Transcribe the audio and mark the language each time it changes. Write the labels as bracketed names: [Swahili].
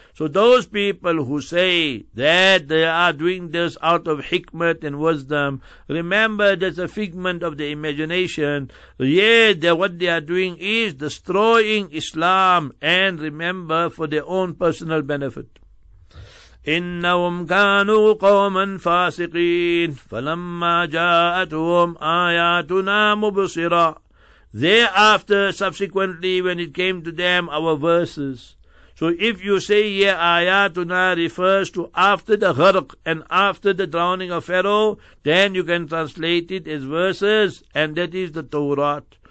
[English] So those people who say that they are doing this out of hikmat and wisdom, remember that's a figment of the imagination. Yeah, that what they are doing is destroying Islam, and remember, for their own personal benefit. [Arabic] إنهم كانوا قوما فاسقين فلما جاءتهم آياتنا مبصرة. [English] Thereafter, subsequently, when it came to them, our verses. So if you say here ayatuna refers to after the gharq and after the drowning of Pharaoh, then you can translate it as verses, and that is the Torah.